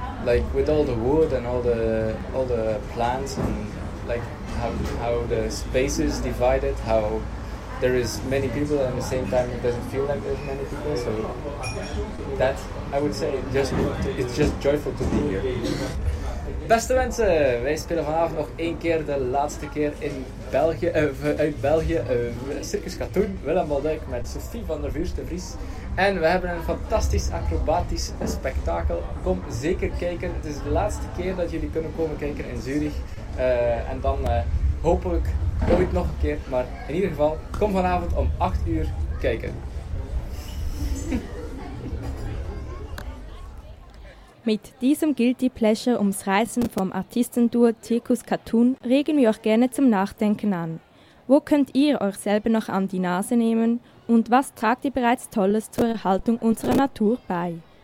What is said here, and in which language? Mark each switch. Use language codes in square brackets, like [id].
[en] Like with all the wood and all the plants, and like how the space is divided, how there is many people and at the same time it doesn't feel like there's many people. So that, I would say, it's just joyful to be here. [nl] Beste mensen, wij spelen vanavond nog één keer, de laatste keer in België, uit België, Circus Katoen, Willem Baldijk met Sophie van der Vuurste Vries. En we hebben een fantastisch acrobatisch spektakel. Kom zeker kijken, het is de laatste keer dat jullie kunnen komen kijken in Zürich. En dan hopelijk ooit nog een keer, maar in ieder geval, kom vanavond om 8 uur kijken. [de] Mit diesem Guilty Pleasure ums Reisen vom Artistenduo Circus Cartoon regen wir euch gerne zum Nachdenken an. Wo könnt ihr euch selber noch an die Nase nehmen und was tragt ihr bereits Tolles zur Erhaltung unserer Natur bei?